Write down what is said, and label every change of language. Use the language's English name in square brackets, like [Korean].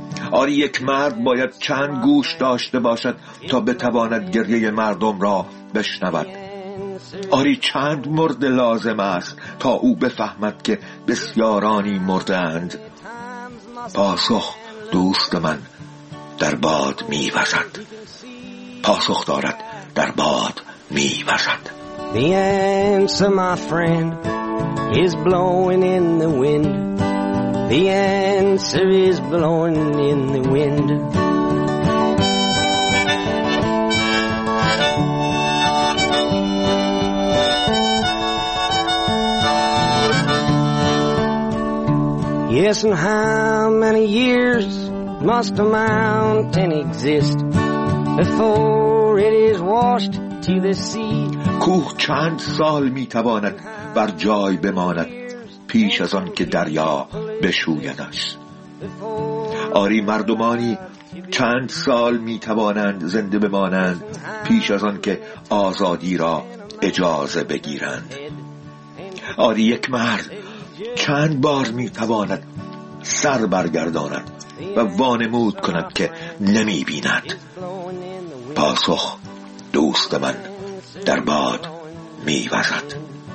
[Persian] آری، یک مرد باید چند گوش داشته باشد تا بتواند گریه مردم را بشنود. آری، چند مرد لازم است تا او بفهمد که بسیارانی مردند. پاسخ دوست من در باد می‌وزد. پاسخ دارد در باد می‌وزد. [English] The answer, my friend, is blowing in the wind. The answer is blowing in the wind. Yes, and how many years must a mountain exist before it is washed to the sea? [Persian] کوه چند سال میتواند بر جای بماند پیش از آن که دریا بشویدش؟ آری، مردمانی چند سال میتوانند زنده بمانند پیش از آن که آزادی را اجازه بگیرند؟ آری، یک مرد چند بار میتواند سر برگرداند و وانمود کند که نمیبیند؟ پاسخ دوست من در باد میوزد.